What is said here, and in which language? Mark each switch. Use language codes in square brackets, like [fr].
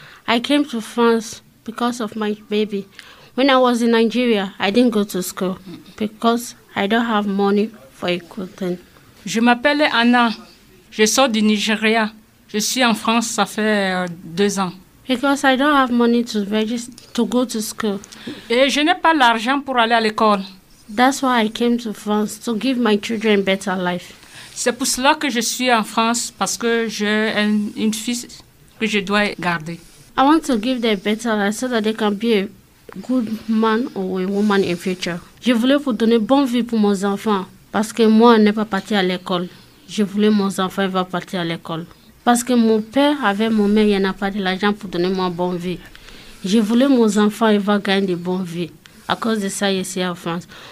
[en] I came to France because of my baby. When I was in Nigeria, I didn't go to school because I don't have money for a good thing. [fr] Je m'appelle Anna. Je sors du Nigeria. Je suis en France, ça fait 2 ans. [en] Because I don't have money to go to school. [fr] Et je n'ai pas l'argent pour aller à l'école. [en] That's why I came to France, to give my children a better life. [fr] C'est pour cela que je suis en France, parce que j'ai une fille que je dois garder. [en] I want to give them a better life so that they can be a good man or a woman in future. [fr] Je voulais vous donner bonne vie pour mes enfants, parce que moi, je n'ai pas parti à l'école. Je voulais que mes enfants vont partir à l'école. Parce que mon père avec mon mère, il n'a pas de l'argent pour donner moi bonne vie. Je voulais que mes enfants vont gagner de bonne vie. À cause de ça, je suis en France.